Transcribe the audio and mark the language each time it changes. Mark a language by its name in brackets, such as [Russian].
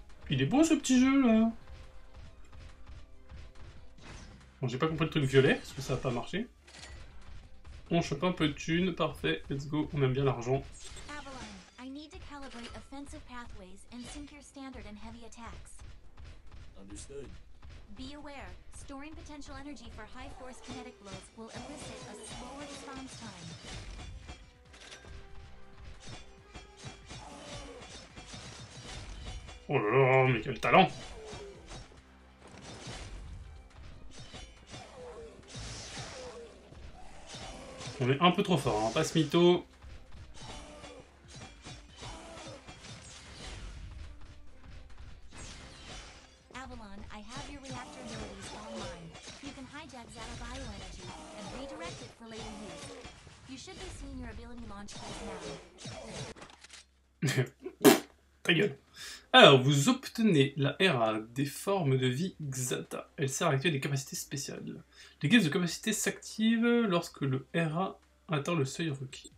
[French] Il est beau ce petit jeu là. Bon, j'ai pas compris le truc violet, parce que ça a pas marché. On chope un peu de thune, parfait, [English] let's go, [French] on aime bien l'argent. [English] Avalon, I need to calibrate offensive pathways and sync your standard and heavy attacks. Understood. Be aware, storing potential energy for high force kinetic blows will elicit a slower response time. [French] Oh là là, mais quel talent! On est un peu trop fort, hein, passe mytho. [English] Avalon, I have your reactor abilities online. You can hijack Zada bioenergy and redirect it for later use. You should be seeing your ability launch right now. [French] Ta gueule. Alors, vous obtenez la RA des formes de vie Xata. Elle sert à activer des capacités spéciales. Les gaz de capacité s'activent lorsque le RA atteint le seuil requis.